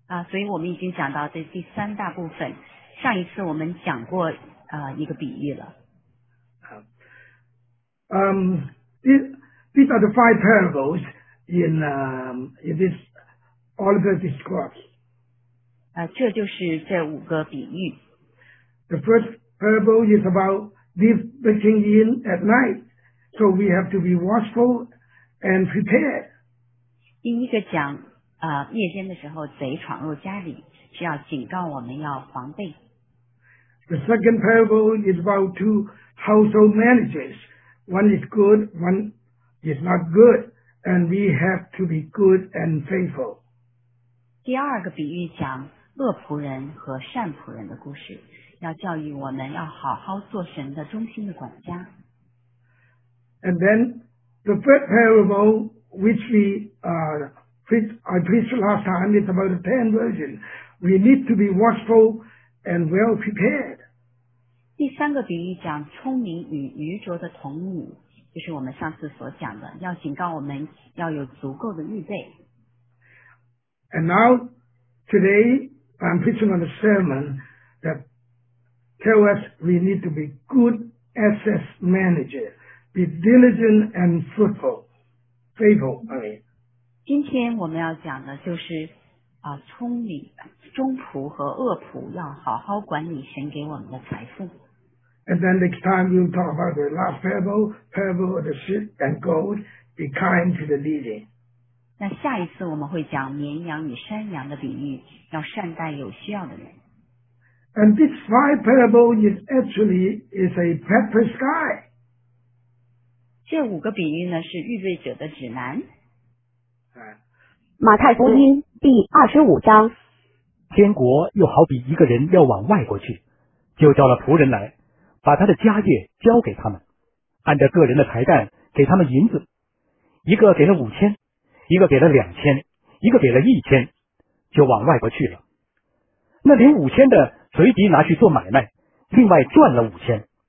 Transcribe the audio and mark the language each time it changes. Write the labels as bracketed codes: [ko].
[zh] 所以我们已经讲到这第三大部分。上一次我们讲过一个比喻了。 [en] These are the 5 parables in this Olivet Discourse. [zh] 这就是这5个比喻。 [en] The first parable is about thief breaking in at night, so we have to be watchful and prepared. [zh] 第一个讲夜间的时候贼闯入家里，需要警告我们要防备。 [en] The second parable is about 2 household managers. One is good, one is not good, and we have to be good and faithful. [zh] 第二个比喻讲恶仆人和善仆人的故事。要教育我们要好好做神的忠心的管家。 [en] And then the third parable, which I preached last time, is about the 10 virgins. We need to be watchful and well prepared. [zh] 第三个比喻讲聪明与愚拙的童女，就是我们上次所讲的，要警告我们要有足够的预备。 [en] And now today I'm preaching on the sermon that. Tell us we need to be good asset manager, be diligent and fruitful, faithful. [zh] 今天我们要讲的就是聪明忠仆和恶仆要好好管理神给我们的财富。 [en] And then next time we'll talk about the last parable of the sheep and goat. Be kind to the needy. [zh] 那下一次我们会讲绵羊与山羊的比喻，要善待有需要的人。 [en] And this 5 parable is actually a preparer's guide. [zh] 这5个比喻呢是预备者的指南。马太福音第二十五章。天国又好比一个人要往外国去，就叫了仆人来，把他的家业交给他们，按照个人的财产给他们银子，一个给了五千，一个给了两千，一个给了一千，就往外国去了。那领五千的随即拿去做买卖，另外赚了五千。